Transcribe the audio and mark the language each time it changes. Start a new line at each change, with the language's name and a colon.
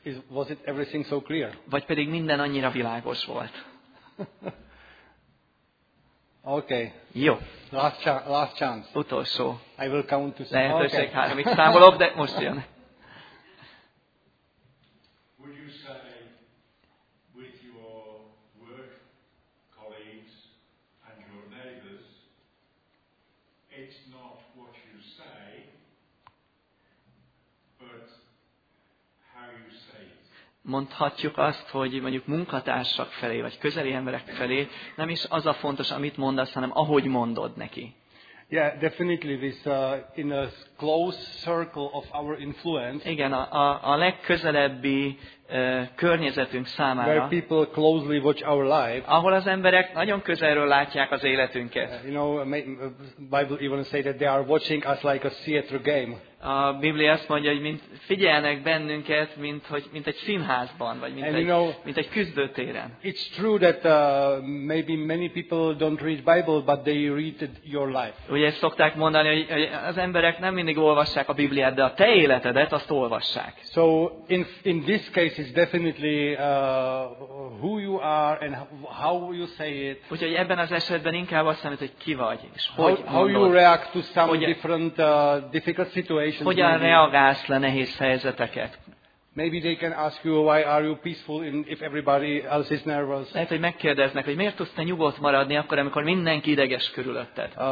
English: Was it everything so clear?
Hungarian: Vagy pedig minden annyira világos volt.
English: Okay.
Hungarian: Jó.
English: Last chance.
Hungarian: Utolsó.
English: I will count to say.
Hungarian: Lehetőség háromig számolok, de most jön.
English: Would you say with your work colleagues and your neighbors, it's not what you say, but how you say it?
Hungarian: Mondhatjuk azt, hogy mondjuk munkatársak felé, vagy közeli emberek felé, nem is az a fontos, amit mondasz, hanem ahogy mondod neki.
English: Yeah, definitely this in a close circle of our influence.
Hungarian: Igen, a legközelebbi környezetünk számára.
English: Where people closely watch our life.
Hungarian: Ahol az emberek nagyon közelről látják az életünket.
English: You know, Bible even say that they are watching us like a theater game.
Hungarian: A Biblia azt mondja, hogy mint figyelnek bennünket, mint egy színházban, vagy mint egy küzdőtéren.
English: It's true that maybe many people don't read Bible, but they read your life.
Hungarian: Ugye ezt szokták mondani, hogy az emberek nem mindig olvassák a Bibliát, de a te életedet azt olvassák.
English: So in this case it's definitely who you are and how you say it.
Hungarian: Úgyhogy ebben az esetben inkább azt számít, hogy ki vagy és hogy mondod.
English: How you react to some different difficult situations.
Hungarian: Hogyan reagálsz le nehéz helyzeteket?
English: Maybe they can ask you why are you peaceful if everybody else is nervous.
Hungarian: Lehet, hogy megkérdeznek, hogy miért tudsz te nyugodt maradni akkor, amikor mindenki ideges körülötted.